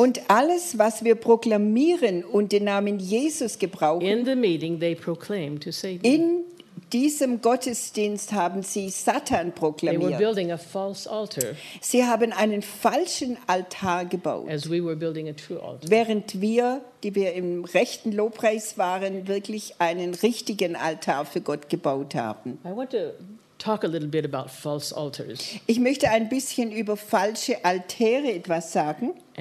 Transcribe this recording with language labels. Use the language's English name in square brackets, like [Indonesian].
[German] und alles, was wir proklamieren und den Namen Jesus gebrauchen, [English] in the meeting they proclaim to Satan. [German] In diesem Gottesdienst haben sie Satan proklamiert. [English] They were building a false altar, [German] sie haben einen falschen Altar gebaut, [English] as we were building a true altar. [German] Während wir, die wir im rechten Lobpreis waren, wirklich einen richtigen Altar für Gott gebaut haben. [English] I want to talk a little bit about false altars. [German] Ich möchte ein bisschen über falsche Altäre etwas sagen.